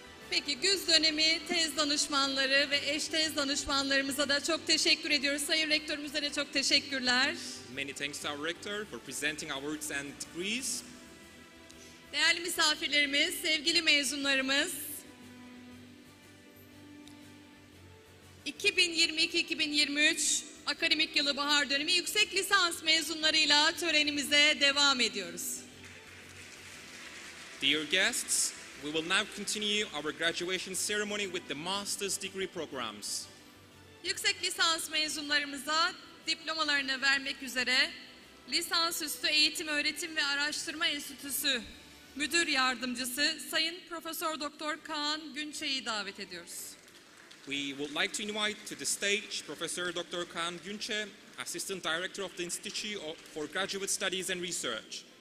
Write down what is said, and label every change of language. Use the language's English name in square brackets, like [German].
[Turkish] Peki güz dönemi tez danışmanları ve eş tez danışmanlarımıza da çok teşekkür ediyoruz. Sayın rektörümüze de çok teşekkürler. [English] Many thanks to our rector for presenting awards and degrees. [Turkish] Değerli misafirlerimiz, sevgili mezunlarımız. 2022-2023 akademik yılı bahar dönemi yüksek lisans mezunlarıyla törenimize devam ediyoruz. [English] Dear guests, we will now continue our graduation ceremony with the master's degree programs. [Turkish] Yüksek lisans mezunlarımıza diplomalarını vermek üzere Lisansüstü Eğitim, Öğretim ve Araştırma Enstitüsü Müdür Yardımcısı Sayın Profesör Doktor Kaan Günçe'yi davet ediyoruz. [English] We would like to invite to the stage Professor Dr. Kaan Günçe, Assistant Director of the Institute for Graduate Studies and Research.